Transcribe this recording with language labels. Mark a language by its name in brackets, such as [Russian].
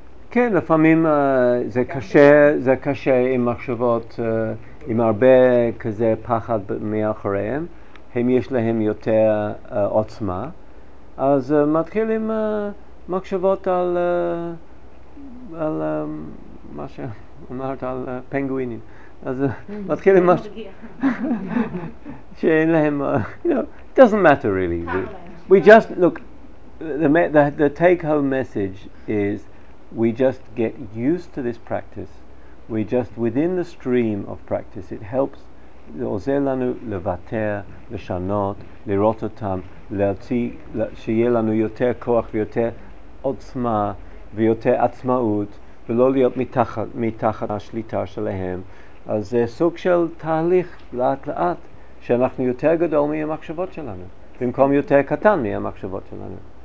[Hebrew] כן, לפעמים זה קשה, זה קשה עם מחשבות, עם הרבה כזה פחד מאחוריהם, הם יש להם יותר עוצמה, אז מתחילים מחשבות על, על מה שאומרת, על פנגווינים. אז מתחילים שאין להם, [English] you know, it doesn't matter really. We just, look, the take-home message is, we just get used to this practice. We just within the stream of practice, it helps. [Hebrew] עוזר לנו לוותר, לשנות, לראות אותם, להציג, שיהיה לנו יותר כוח ויותר עוצמה ויותר עצמאות, ולא להיות מתחת השליטה שלהם. אז זה סוג של תהליך לאט לאט, שאנחנו יותר גדול מהמחשבות שלנו, במקום יותר קטן מהמחשבות שלנו.